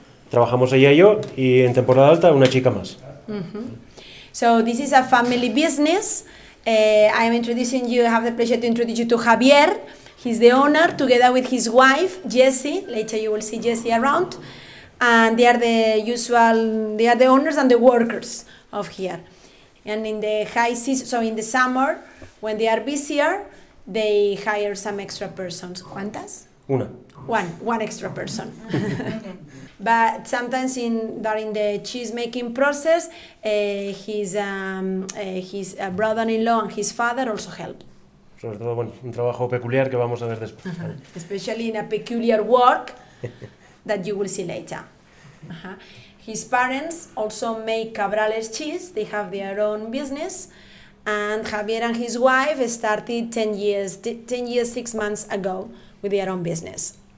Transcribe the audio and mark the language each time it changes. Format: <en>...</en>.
<es>Trabajamos ella y yo, y en temporada alta, una chica más.</es> <en>So this is a family business. I am introducing you, I have the pleasure to introduce you to Javier. He's the owner, together with his wife, Jessie. Later you will see Jessie around. And they are the usual, they are the owners and the workers of here. And in the high season, so in the summer, when they are busier, they hire some extra persons.</en> <es>¿Cuántas? Una.</es> <en>One extra person. But sometimes in during the cheese making process, his brother-in-law and his father also help.</en> <es>Sobre todo, bueno, un trabajo peculiar que vamos a ver después.</es> <en>Especially in a peculiar work that you will see later. His parents also make Cabrales cheese. They have their own business. And Javier and his wife started 10 years, 6 months ago with their own business.</en>